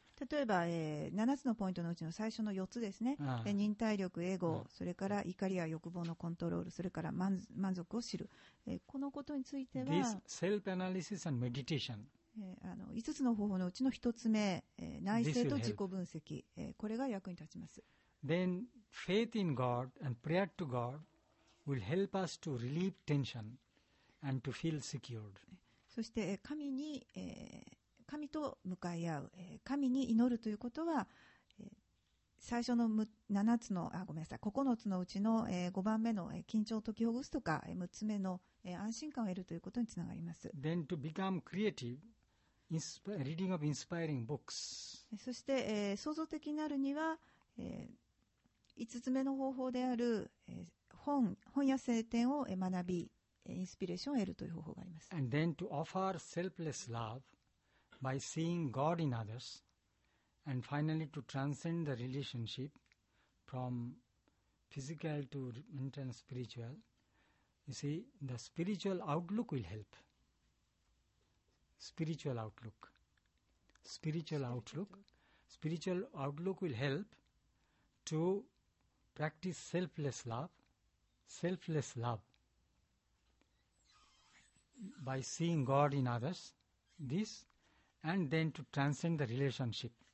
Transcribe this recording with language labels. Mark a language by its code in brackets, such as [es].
[ja] 例えば、7つのポイントのうちの最初の4つですね、忍耐力、エゴ、それから怒りや欲望のコントロール、それから満足を知る、このことについては [en] This self-analysis and meditation. [ja] 5つの方法のうちの1つ目、内省と自己分析、これが役に立ちます。 [en] Then faith in God and prayer to God will help us to relieve tension. And to feel secured. [ja] そして神に、神と向かい合う、神に祈るということは、最初の7つのあごめんなさい9つのうちの、5番目の、緊張を解きほぐすとか、6つ目の、安心感を得るということにつながります。 [en] Then to become creative, reading of inspiring books. [ja] そして、創造的になるには、5つ目の方法である、本や聖典を学びインスピレーションを得るという方法があります。 [en] And then to offer selfless love by seeing God in others and finally to transcend the relationship from physical to mental and spiritual. You see, the spiritual outlook will help. Spiritual outlook will help to practice selfless love by seeing God in others, this, and then to transcend the relationship.